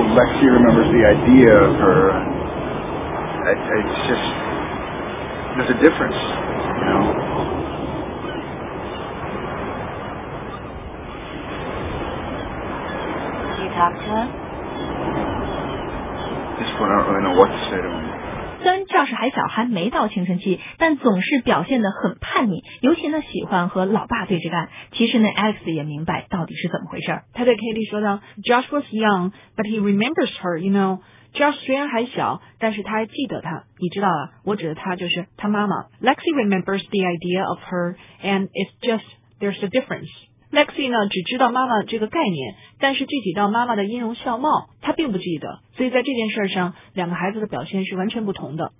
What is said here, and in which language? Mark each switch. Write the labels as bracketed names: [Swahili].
[English] Lexi remembers the idea of her. It's just... There's a difference, you know? Did you talk to him? This one, I don't really know what to say to him. [Chinese] 虽然 Josh 还小，还没到青春期，但总是表现得很叛逆，尤其呢喜欢和老爸对着干。其实呢 Alex 也明白到底是怎么回事。他对 Kitty 说道， [English] Josh was young, but he remembers her, you know. [Chinese] Josh 虽然还小，但是他还记得他，你知道啊，我指的他就是他妈妈。 [English] Lexi remembers the idea of her, and it's just there's a difference. [Chinese] Lexi 呢只知道妈妈这个概念，但是具体到妈妈的音容笑貌她并不记得，所以在这件事上两个孩子的表现是完全不同的。